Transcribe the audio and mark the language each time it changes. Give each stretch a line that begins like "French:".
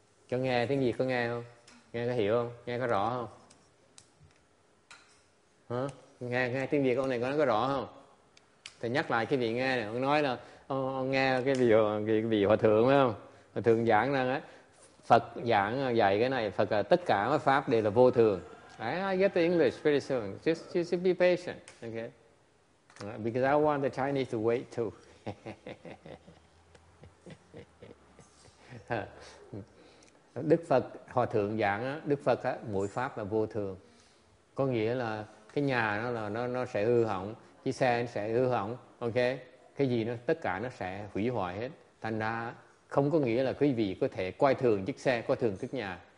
Vietnamese: Có nghe tiếng Việt có nghe không? Nghe có hiểu không? Nghe có rõ không? Hả? Nghe tiếng Việt ông này có rõ không? Thầy nhắc lại cái vị nghe này, ông nói là ông nghe cái vị hòa thượng phải không? Hòa thượng giảng rằng á, Phật giảng dạy cái này, Phật là tất cả các pháp đều là vô thường.
English: I get the English pretty soon. Just be patient, okay? Because I want the Chinese to wait too.
Vietnamese: Đức Phật hòa thượng giảng á, Đức Phật á, mỗi pháp là vô thường. Có nghĩa là cái nhà nó là nó sẽ hư hỏng. Chiếc xe nó sẽ hư hỏng, ok? Cái gì nó, tất cả nó sẽ hủy hoại hết. Thành ra không có nghĩa là quý vị có thể coi thường chiếc xe, coi thường chiếc nhà.